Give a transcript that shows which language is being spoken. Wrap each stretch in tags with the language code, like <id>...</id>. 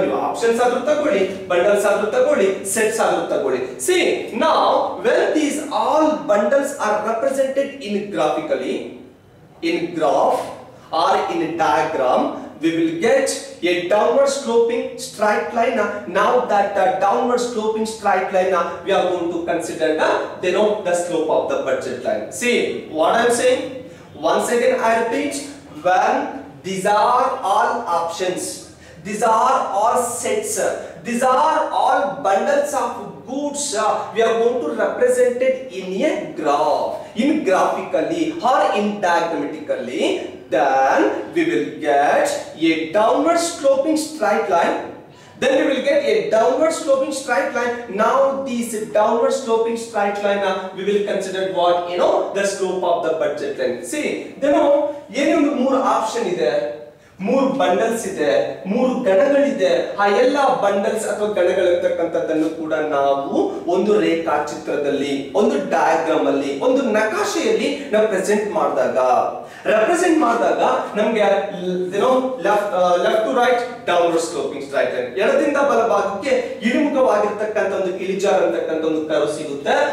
<kn>ನೀವು ಆಪ್ಷನ್ಸ್ ಆದ್ರೂ ತಗೊಳ್ಳಿ, ಬಂಡಲ್ಸ್ ಆದ್ರೂ ತಗೊಳ್ಳಿ, ಸೆಟ್ಸ್ ಆದ್ರೂ ತಗೊಳ್ಳಿ.</kn> <en>See now when these all bundles are represented in graphically, in graph or in diagram, we will get a downward sloping straight line. Now that the downward sloping straight line we are going to consider the denote the slope of the budget line. See what I'm saying? Once again I repeat, when these are all options, these are all sets, these are all bundles of goods, we are going to represent it in a graph, in graphically or in diagrammatically, then we will get a downward sloping straight line. Then we will get a downward sloping straight line. Now this downward sloping straight line we will consider what, you know, the slope of the budget line. See, then</en> <kn>yeni ondu mooru option ide, ಮೂರು bundles ಇದೆ, ಮೂರು ಗಣಗಳಿದೆ. ಆ ಎಲ್ಲ bundles ಅಥವಾ ಗಣಗಳಿರ್ತಕ್ಕಂಥದ್ದನ್ನು ಕೂಡ ನಾವು ಒಂದು ರೇಖಾಚಿತ್ರದಲ್ಲಿ, ಒಂದು ಡಯಾಗ್ರಾಮ್ ಅಲ್ಲಿ, ಒಂದು ನಕಾಶೆಯಲ್ಲಿ ನಾವು ಪ್ರೆಸೆಂಟ್ ಮಾಡಿದಾಗ, ರೆಪ್ರೆಸೆಂಟ್ ಮಾಡಿದಾಗ ನಮ್ಗೆ ಏನೋ left to write down sloping straight line, ಎಡದಿಂದ ಬಲಭಾಗಕ್ಕೆ ಇಳಿಮುಖವಾಗಿರ್ತಕ್ಕಂಥ ಒಂದು ಇಳಿಜಾರ್ ಅಂತಕ್ಕಂಥ ಒಂದು ಕರ್ವ್ ಸಿಗುತ್ತೆ.</kn>